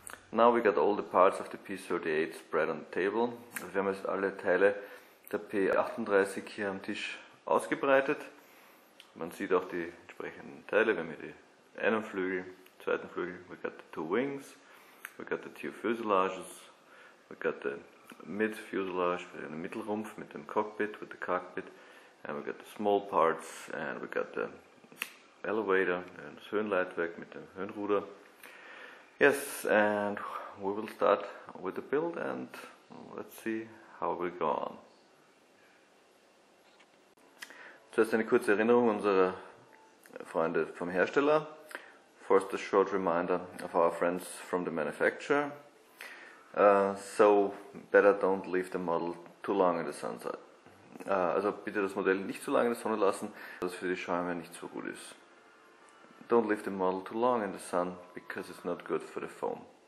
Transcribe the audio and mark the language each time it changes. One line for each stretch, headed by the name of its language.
English: Now we got all the parts of the P38 spread on the table.
German: Wir haben jetzt alle Teile der P38 hier am Tisch ausgebreitet. Man sieht auch die entsprechenden Teile. Wir haben hier den einen Flügel, den zweiten Flügel.
English: We got the two wings. We got the two fuselages. We got the mid fuselage,
German: den Mittelrumpf mit dem Cockpit,
English: with the cockpit. And we got the small parts and we got the elevator,
German: das Höhenleitwerk mit dem Höhenruder.
English: Yes, and we will start with the build and let's see how we go on.
German: Zuerst eine kurze Erinnerung unserer Freunde vom Hersteller.
English: First a short reminder of our friends from the manufacturer. So better don't leave the model too long in the sunset.
German: Also bitte das Modell nicht zu lange in der Sonne lassen, was für die Schäume nicht so gut ist.
English: Don't leave the model too long in the sun, because it's not good for the foam.